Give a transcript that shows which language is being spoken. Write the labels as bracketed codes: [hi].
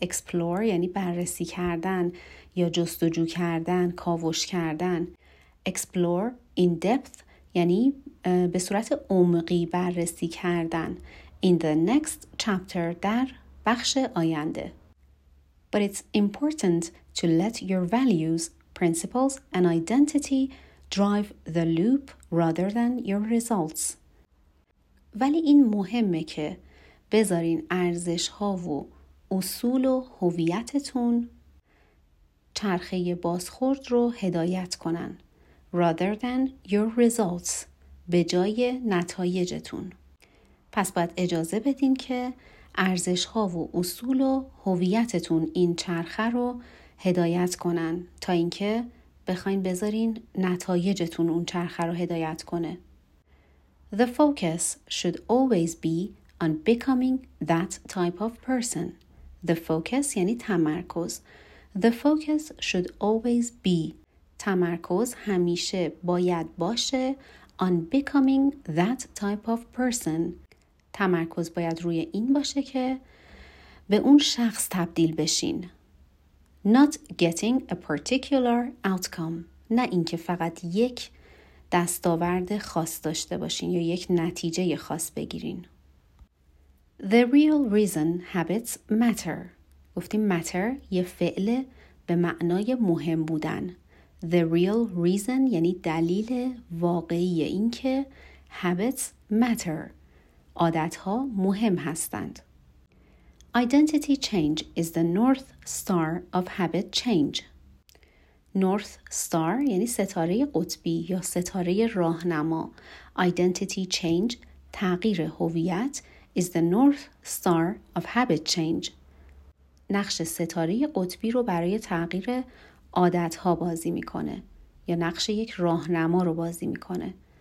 [fa] Explore یعنی بررسی کردن یا جستجو کردن، کاوش کردن. [en] Explore in depth [fa] یعنی به صورت عمیقی بررسی کردن. [en] In the next chapter [fa] در بخش آینده. [en] But it's important to let your values, principles, and identity drive the loop rather than your results. [fa] ولی این مهمه که بذارین ارزش‌ها و اصول و هویتتون چرخه بازخورد رو هدایت کنن. [en] Rather than your results, [fa] به جای نتایجتون. پس باید اجازه بدین که ارزش‌ها و اصول و هویتتون این چرخه رو هدایت کنن تا اینکه بخواین بذارین نتایجتون اون چرخه رو هدایت کنه. [en] The focus should always be on becoming that type of person. The focus [fa] یعنی تمرکز. [en] The focus should always be. [fa] تمرکز همیشه باید باشه [en] on becoming that type of person. [fa] تمرکز باید روی این باشه که به اون شخص تبدیل بشین. [en] Not getting a particular outcome. [fa] نه اینکه فقط یک دستاورد خاص داشته باشین یا یک نتیجه خاص بگیرین. [en] The real reason habits matter. [fa] گفتیم matter یه فعل به معنای مهم بودن. [en] The real reason [fa] یعنی دلیل واقعی اینکه [en] habits matter. [fa] عادت‌ها مهم هستند. [en] Identity change is the north star of habit change. [fa] North star یعنی ستاره قطبی یا ستاره راهنما. [en] Identity change [fa] تغییر هویت [en] is the north star of habit change. [fa] نقش ستاره قطبی رو برای تغییر عادت‌ها بازی می‌کنه یا نقش یک راهنما رو بازی می‌کنه.